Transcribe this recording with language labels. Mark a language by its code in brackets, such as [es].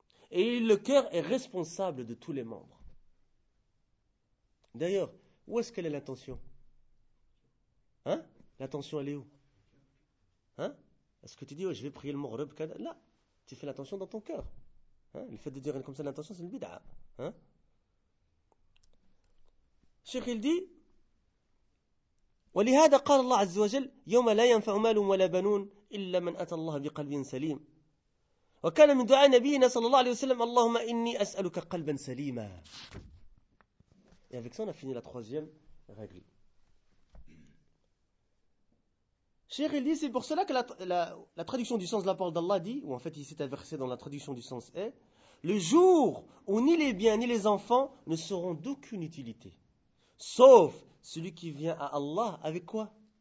[fr] Et le cœur est responsable de tous les membres. D'ailleurs, où est-ce qu'elle est l'intention? Hein? L'intention, elle est où? Hein? Est-ce que tu dis, oh, je vais prier le Maghrib? Là, tu fais l'intention dans ton cœur. Hein? Le fait de dire comme ça l'intention, c'est une bid'a. Hein? Cheikh, il dit, [ar] ولهذا قال الله عز وجل يوم لا ينفع مال ولا بنون إلا من أتى الله بقلب سليم. وكان من دعاء نبينا صلى الله عليه وسلم اللهم إني أسألك قلبا سليما. [fr] Et avec ça, on a fini la troisième règle. Cheikh, il dit, c'est pour cela que la traduction du sens de la parole d'Allah dit, ou en fait, il s'est inversé dans la traduction du sens est, le jour où ni les biens ni les enfants ne seront d'aucune utilité, sauf celui qui vient à Allah avec quoi?